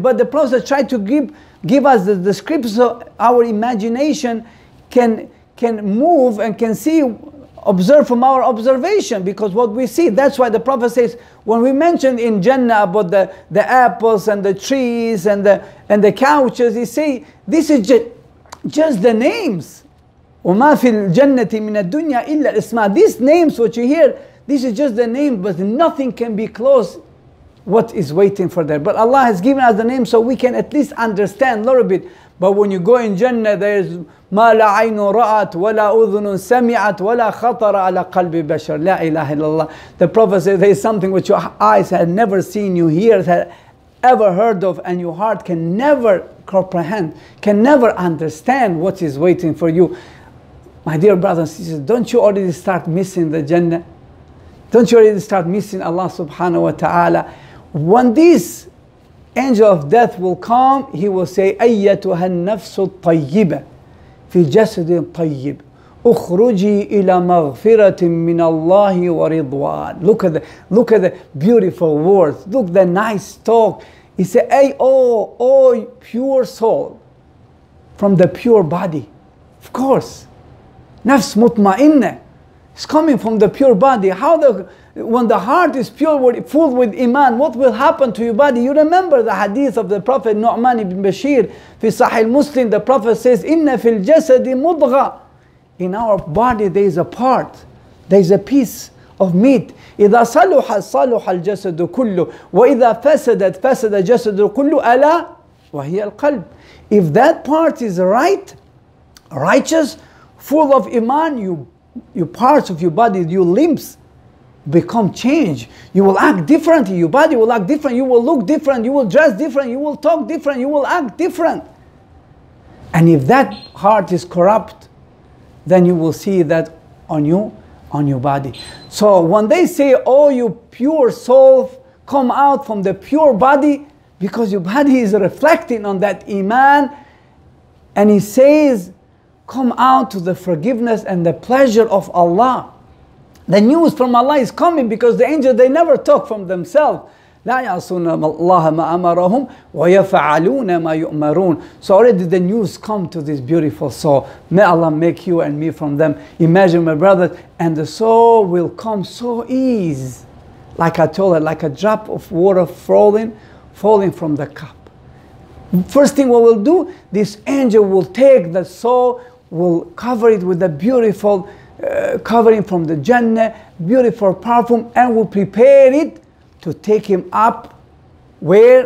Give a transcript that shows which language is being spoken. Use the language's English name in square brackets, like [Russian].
[English] But the Prophet tried to give us the description so our imagination can move and can see, observe from our observation, because what we see, that's why the Prophet says, when we mentioned in Jannah about the apples and the trees and the couches, you see, this is just the names. [Arabic] وَمَا فِي الْجَنَّةِ مِنَ الدُّنْيَا إِلَّا الْإِسْمَاءِ. [English] These names, what you hear, this is just the name, but nothing can be close what is waiting for there. But Allah has given us the name so we can at least understand a little bit. But when you go in Jannah, there's [Arabic] مَا لَا عَيْنُ رَأَتْ وَلَا أُذُنٌ سَمِعَتْ وَلَا خَطَرَ عَلَى قَلْبِ بَشَرٍ. لَا إِلَهَ إِلَّا اللَّهِ. [English] The Prophet says, there is something which your eyes have never seen, your ears have ever heard of, and your heart can never comprehend, can never understand what is waiting for you. My dear brothers and sisters, don't you already start missing the Jannah? Don't you already start missing Allah subhanahu wa ta'ala? when this angel of death will come, he will say, [Arabic] أَيَّتُهَا النَّفْسُ الطَّيِّبَةِ فِي جَسَدٍ طَيِّبٍ أُخْرُجِي إِلَى مَغْفِرَةٍ مِّنَ اللَّهِ وَرِضْوَانٍ. [English] Look at the beautiful words. Look at the nice talk. He said, hey, oh, pure soul from the pure body. Of course. Nafs mutma'innah. It's coming from the pure body. How the, when the heart is pure, full with iman, what will happen to your body? You remember the hadith of the Prophet Nu'man ibn Bashir fi Sahih Muslim. The Prophet says, [Arabic] إِنَّ فِي الْجَسَدِ مُضْغَةٍ. [English] In our body there is a part, there is a piece of meat. [Arabic] إِذَا صَلُحَ صَلُحَ الْجَسَدُ كُلُّ وَإِذَا فَسَدَتْ فَسَدَ الْجَسَدُ كُلُّ أَلَا وَهِيَ الْقَلْبِ. [English] If that part is right, righteous, full of iman, your parts of your body, your limbs become changed. You will act differently, your body will act different, you will look different, you will dress different, you will talk different, you will act different. And if that heart is corrupt, then you will see that on you, on your body. So when they say, oh, you pure soul, come out from the pure body, because your body is reflecting on that iman, and he says, come out to the forgiveness and the pleasure of Allah. The news from Allah is coming, because the angels, they never talk from themselves. [Arabic] لا يعصون الله ما أمرهم ويفعلون ما يؤمرون. [English] So already the news come to this beautiful soul. May Allah make you and me from them. Imagine, my brother, and the soul will come so ease, like I told her, like a drop of water falling from the cup. First thing what we'll do, this angel will take the soul, will cover it with a beautiful covering from the Jannah, beautiful perfume, and will prepare it to take him up, where?